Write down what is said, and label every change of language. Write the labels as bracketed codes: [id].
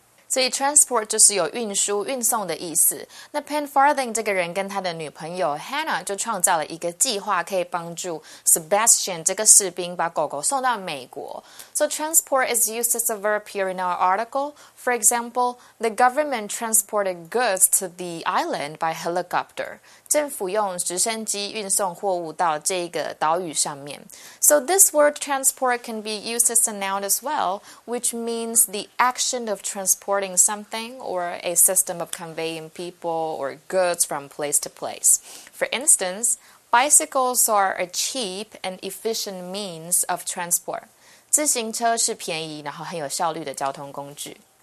[zh] 所以 transport 就是有运输、运送的意思。那 Pen Farthing 这个人跟他的女朋友 Hannah 就创造了一个计划，可以帮助 Sebastian 这个士兵把狗狗送到美国。 [en] So transport is used as a verb here in our article. For example, the government transported goods to the island by helicopter. [zh] 政府用直升机运送货物到这个岛屿上面。 [en] So this word transport can be used as a noun as well, which means the action of transporting something or a system of conveying people or goods from place to place. For instance, bicycles are a cheap and efficient means of transport. [zh] 自行车是便宜然后很有效率的交通工具。